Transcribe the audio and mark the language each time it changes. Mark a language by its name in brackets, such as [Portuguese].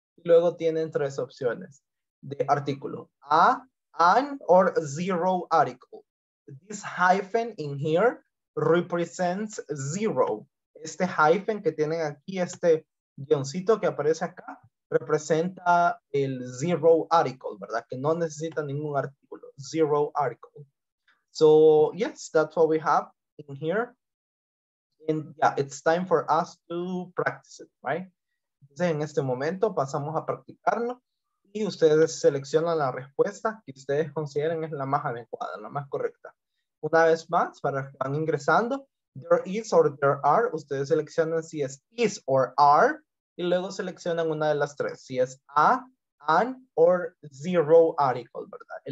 [Spanish] Luego tienen tres opciones de artículo. [English] A, an, or zero article. This hyphen in here represents zero. [Spanish] Este hyphen que tienen aquí, este guioncito que aparece acá, representa el zero article, ¿verdad? Que no necesita ningún artículo. Zero article. [English] So, yes, that's what we have in here. And yeah, it's time for us to practice it, right? [Spanish] Entonces, en este momento pasamos a practicarlo y ustedes seleccionan la respuesta que ustedes consideren es la más adecuada, la más correcta. Una vez más, para que van ingresando, [English] there is or there are, [Spanish] ustedes seleccionan si es [English] is or are [Spanish] y luego seleccionan una de las tres, si es [English] a, an, or zero article, [Spanish] ¿verdad?